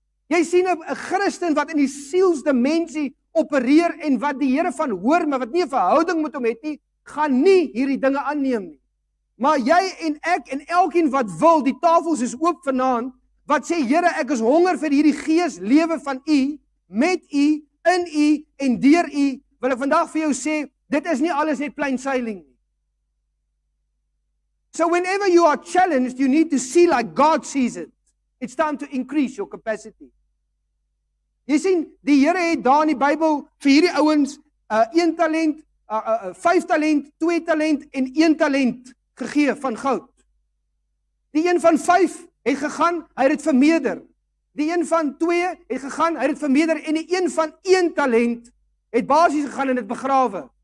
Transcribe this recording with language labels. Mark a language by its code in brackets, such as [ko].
[af] Jy sien 'n Christen wat in die sielsdimensie opereer en wat die Here van hoor, maar wat nie 'n verhouding met hom het nie, gaan nie hierdie dinge aanneem nie. Maar jy en ek en elkeen wat wil, die tafels is oop vanaand, wat sê, Here, ek is honger vir hierdie gees lewe van U, met U, in U en deur U, wil ek vandag vir jou sê, dit is nie alles net [en] plain sailing [af] nie. [en] So whenever you are challenged, you need to see like God sees it. It's time to increase your capacity. [af] Jy sien, die Here het daar in die Bybel vir hierdie ouens 1 talent, 5 talent, 2 talent en 1 talent gegee van goud. Die een van 5 het gegaan, hy het dit vermeerder. Die een van 2 het gegaan, hy het dit vermeerder en die een van 1 talent het basies gegaan en het begrawe.